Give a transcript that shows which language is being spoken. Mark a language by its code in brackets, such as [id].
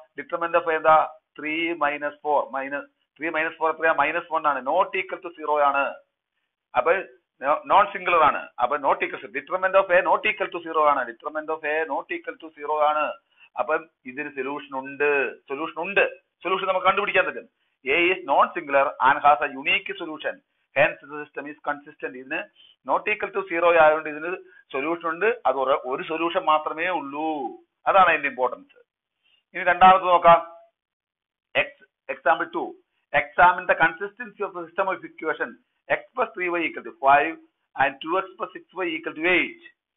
[ml] Determinant of A എന്താ, 3 - 4, -3 - 4 എത്രയാ, -1 ആണ്. നോട്ട് ഈക്വൽ ടു സീറോ ആണ്, അപ്പൊ നോൺ സിംഗുലർ ആണ്. അപ്പൊ not equal, determinant of A not equal to zero ആണ്, determinant of A not equal to zero ആണ്. അപ്പൊ ഇതിന് സൊല്യൂഷൻ ഉണ്ട്, സൊല്യൂഷൻ ഉണ്ട്, സൊല്യൂഷൻ നമുക്ക് കണ്ടുപിടിക്കാൻ പറ്റും. [en] A is non-singular and has a unique solution. Hence, the system is consistent. [ml] ഇതിന് നോട്ട് ഈക്വൽ ടു സീറോ ആയതുകൊണ്ട് ഇതിന് സൊല്യൂഷൻ ഉണ്ട്, അത് ഒരു സൊല്യൂഷൻ മാത്രമേ ഉള്ളൂ. അതാണ് അതിന്റെ ഇമ്പോർട്ടൻസ്. ഇനി രണ്ടാമത് നോക്കാം, [en] Example two, examine the consistency of the system of equation x plus 3y equal to 5 and 2x plus 6y equal to 8.